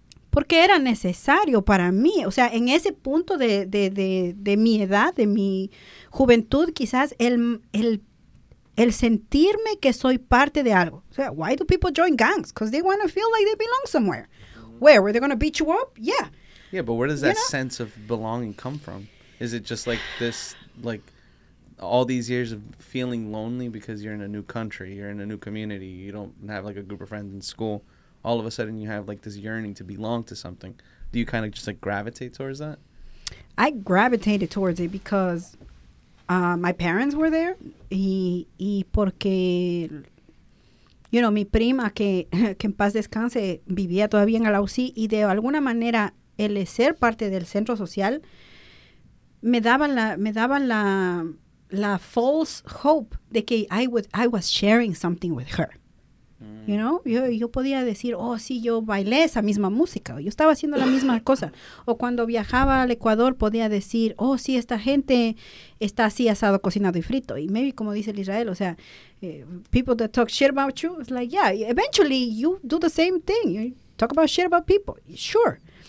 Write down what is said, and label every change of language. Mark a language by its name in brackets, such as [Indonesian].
[Spanish] Porque era necesario para mí, o sea, en ese punto de mi edad, de mi juventud, quizás el sentirme que soy parte de algo. O sea, [English] why do people join gangs? Because they want to feel like they belong somewhere. Where they're going to beat you up? Yeah. Yeah, but where does that sense of belonging come from? Is it just like this, like all these years of feeling lonely because you're in a new country, you're in a new community, you don't have like a group of friends in school? All of a sudden you have like this yearning to belong to something. Do you kind of just like gravitate towards that? I gravitated towards it because my parents were there. [Spanish] Y porque, [English] you know, [Spanish] mi prima que en paz descanse vivía todavía en Alausí, y de alguna manera el ser parte del centro social me daba la [English] false hope [Spanish] de que [English] I was sharing something with her. You know, [Spanish] yo podía decir, oh, sí, yo bailé esa misma música. Yo estaba haciendo la misma cosa. O cuando viajaba al Ecuador, podía decir, oh, sí, esta gente está así asado, cocinado y frito. Y maybe, como dice el Israel, o sea, [English] people that talk shit about you, it's like, yeah, eventually you do the same thing. You talk about shit about people. Sure.